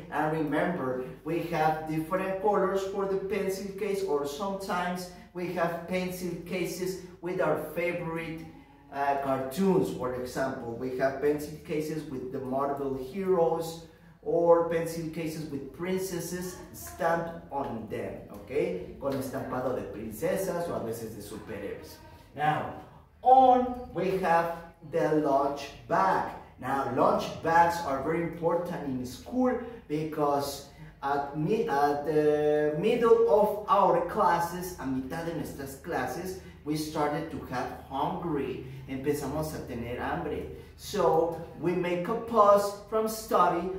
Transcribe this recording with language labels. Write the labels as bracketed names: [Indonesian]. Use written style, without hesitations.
[English] And remember, we have different colors for the pencil case, or sometimes we have pencil cases with our favorite cartoons, for example. We have pencil cases with the Marvel heroes, or pencil cases with princesses stamped on them, okay? [Spanish] Con estampado de princesas o a veces de superhéroes. [English] Now, on we have the lunch bag. Now, lunch bags are very important in school because at the middle of our classes, [Spanish] a mitad de nuestras clases, [English] we started to have hungry. [Spanish] Empezamos a tener hambre. [English] So, we make a pause from study.